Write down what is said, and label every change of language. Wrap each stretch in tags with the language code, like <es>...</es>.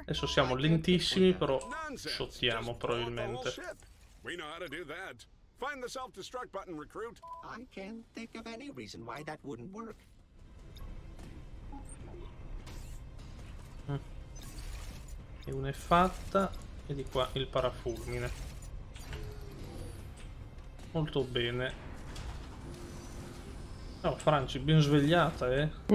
<it>Adesso siamo lentissimi, però shottiamo probabilmente.</it> <en>We know how to do that. Find the self-destruct button, recruit. I can't think of any reason why that wouldn't work.</en> <it>E una è fatta, e di qua il parafulmine. Molto bene. Oh, Franci, ben svegliata, eh?</it>